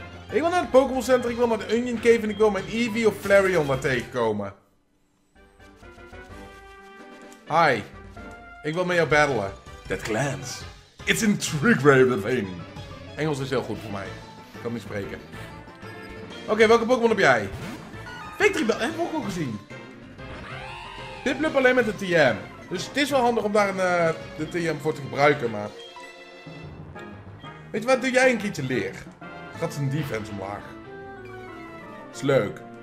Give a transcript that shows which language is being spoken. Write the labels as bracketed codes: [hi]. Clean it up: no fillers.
[nl] Ik wil naar het Pokémon Center, ik wil naar de Onion Cave en ik wil mijn Eevee of Flareon daar tegenkomen. Hi, ik wil met jou battelen. [en] That glance, it's intriguing. [nl] Engels is heel goed voor mij. Ik kan niet spreken. Oké, welke Pokémon heb jij? Victreebel, hebben we ook al gezien. Piplup alleen met de TM. Dus het is wel handig om daar de TM voor te gebruiken, maar... Weet je wat, doe jij een keertje leer. Gaat zijn defense omlaag. Is leuk.